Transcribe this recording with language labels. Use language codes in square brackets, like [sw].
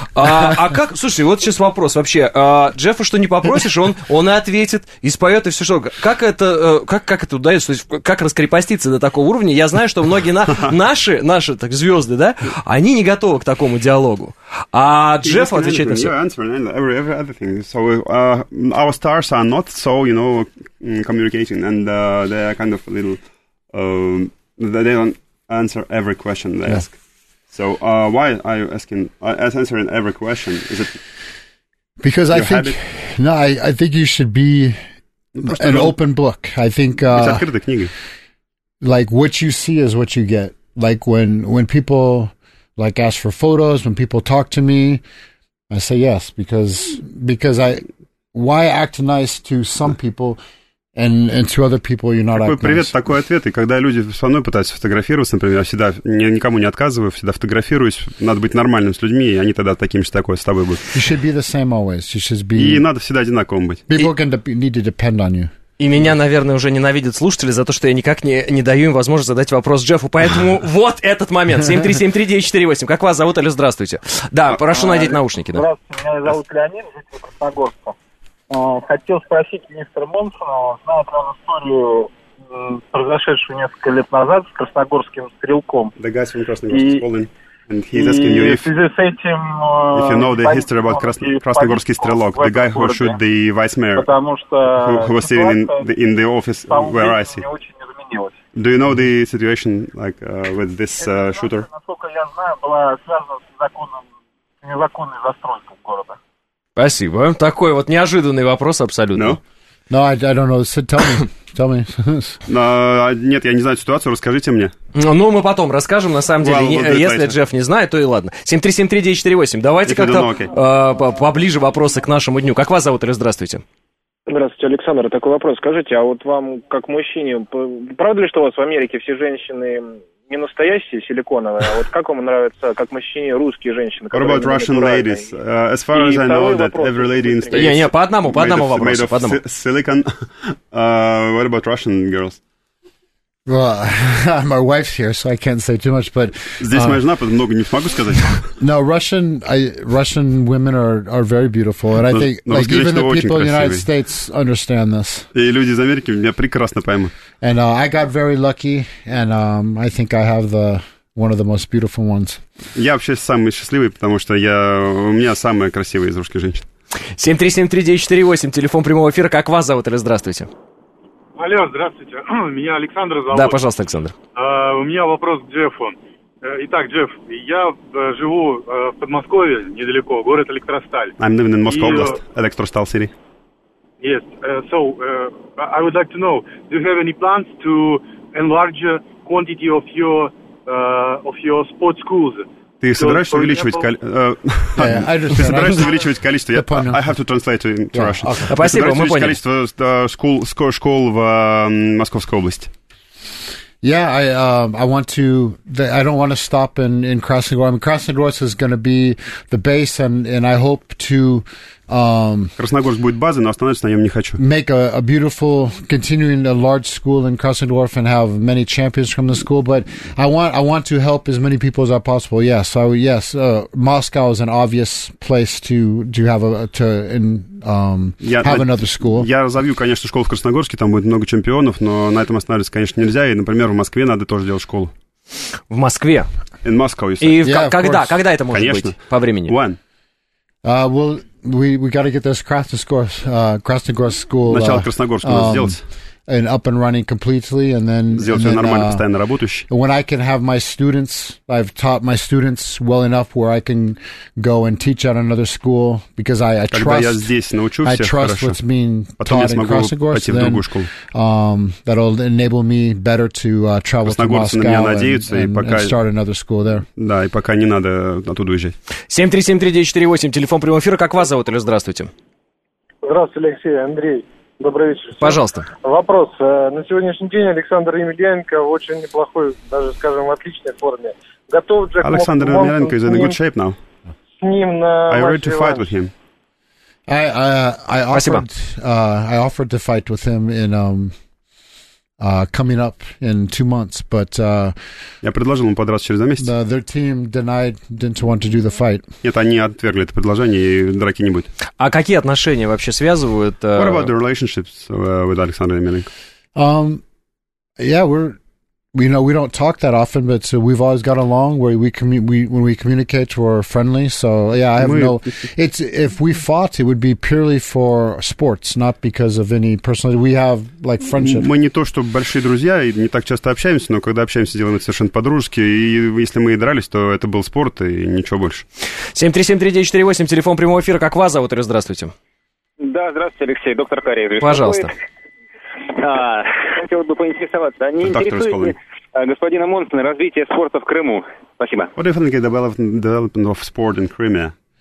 [ru] А как, слушай, вот сейчас вопрос вообще. Джеффа что не попросишь, он и ответит, и споет, и все что. Как это удается? Как раскрепоститься до такого уровня? Я знаю, что многие наши так, звезды, да, они не готовы к такому диалогу. А Джефф отвечает на все. [en] Our stars are not so, you know, communicating, and they are kind of a little, they don't answer every question they ask. So why are you asking, answering every question? Is it because I think, habit? No, I think you should be an open book. I think, like what you see is what you get. Like when people like ask for photos, when people talk to me, I say yes, because I... Why act nice to some people and to other people you're not acting nice? [ru] Такой привет, такой ответ. И когда люди со мной пытаются фотографироваться, например, я всегда никому не отказываю, всегда фотографируюсь. Надо быть нормальным с людьми, и они тогда таким же такое с тобой будут. [en] You should be the same always. You should be... [ru] И надо всегда одинаковым быть. [en] People can need to depend on you. [ru] И меня, наверное, уже ненавидят слушатели за то, что я никак не даю им возможность задать вопрос Джеффу. Поэтому вот этот момент. 7373948. Как вас зовут? Алло, здравствуйте. Да, прошу надеть наушники. Да. Здравствуйте, меня зовут Леонид, житель Красногорска. Хотел спросить мистера Монсона, знает он историю, произошедшую несколько лет назад с красногорским стрелком. [en] The guy from Krasnogorsk is calling, and he's asking you if, [ru] этим, [en] if you know the history about Krasnogorsky Strelok, the guy who shot the vice mayor, who was sitting in the office where I see. Do you know the situation like with this shooter? [ru] Насколько я знаю, была связана с незаконной застройкой города. Спасибо. Такой вот неожиданный вопрос абсолютно. [en] No, I don't know. Tell me. [ru] Нет, я не знаю ситуацию, расскажите мне. Ну, мы потом расскажем, на самом деле. Если Джефф не знает, то и ладно. 7373948. Давайте как-то поближе вопросы к нашему дню. Как вас зовут? Или здравствуйте. Здравствуйте, Александр. Такой вопрос. Скажите, а вот вам, как мужчине, правда ли, что у вас в Америке все женщины... Не настоящие силиконовые, а вот как вам нравятся, как мужчине, русские женщины? [en] What about Russian ladies? As far as I know, that every lady in States... [ru] Не-не, по одному вопросу. [en] Made of silicon. What about Russian girls? Well, my wife's here, so I can't say too much, but... [ru] Здесь моя жена, поэтому много не смогу сказать. [en] No, Russian women are very beautiful, and I think like, even the people in the United States understand this. [ru] И люди из Америки меня прекрасно поймут. [en] And I got very lucky, and I think I have the... One of the most beautiful ones. [ru] Я вообще самый счастливый, потому что у меня самая красивая из русских женщин. 7373948, телефон прямого эфира. Как вас зовут или здравствуйте? Алло, здравствуйте. Меня Александр зовут. Да, пожалуйста, Александр. У меня вопрос к Джеффу. Итак, Джефф, я живу в Подмосковье, недалеко, город Электросталь. [en] I'm living in Moscow Oblast, Electrostal City. Yes, so I would like to know, do you have any plans to enlarge quantity of your... of your sports schools. [ru] Ты собираешься увеличивать ты собираешься увеличивать количество? [en] I have to translate to Russian. [ru] Okay. Спасибо, мы поняли. Ты собираешься увеличивать количество школ в Московской области? [en] Yeah, I want to. I don't want to stop in Krasnogorsk. I mean, Krasnogorsk is going to be the base, and I hope to. [ru] Krasnogorsk будет базой, но останавливаться на нем не хочу. [en] Make a beautiful, continuing a large school in Krasnogorsk and have many champions from the school. But I want to help as many people as possible. Yes, so yes, Moscow is an obvious place to have another school. [ru] Я разовью, конечно, школу в Красногорске, там будет много чемпионов, но на этом останавливаться, конечно, нельзя. И, например, в Москве надо тоже делать школу. В Москве? [en] In Moscow, [ru] если. Когда это может конечно. Быть? По времени? [en] When? Well, we got to get this Krasnogorsk school... [ru] Начало Красногорска надо сделать. [en] And up and running completely, and then... [ru] Сделать все нормально, постоянно работающий. [en] When I can have my students, I've taught my students well enough where I can go and teach at another school, because I trust... [ru] Когда я здесь научу всех, [en] I trust [ru] хорошо. [en] What's being taught in Krasnogorsk, then that'll enable me better to travel to Moscow and start another school there. [ru] Да, и пока не надо оттуда уезжать. 7373948, телефон прямого эфира. Как вас зовут, или здравствуйте? Здравствуйте, Алексей, Андрей. Добрый вечер. Пожалуйста. Вопрос. На сегодняшний день Александр Емельяненко в очень неплохой, даже, скажем, в отличной форме. Готов Джек [en] Александр Емельяненко is in a good shape now. [ru] С ним на [en] I ready to fight with him. I offered to fight with him in coming up in 2 months, but [ru] я предложил ему подраться через 2 месяца. [en] Their team denied, didn't want to do the fight. [ru] Нет, они отвергли это предложение, и драки не будет. А какие отношения вообще связывают? [en] What about the relationships with Alexander Emelianenko? We don't talk that often, but we've always got along. Where when we communicate, we're friendly. So yeah, I have no. It's if we fought, it would be purely for sports, not because of any personal. We have like friendship. [ru] Мы не то что большие друзья и не так часто общаемся, но когда общаемся, делаем это совершенно по-дружески. И если мы и дрались, то это был спорт и ничего больше. 7373948, телефон прямого эфира. Как вас зовут? Здравствуйте. Да, здравствуйте, Алексей, доктор Карев. Пожалуйста. Хотел бы поинтересоваться, не интересует ли господина Монсона развитие спорта в Крыму? Спасибо. [en] What do you think of the development of sport in Crimea?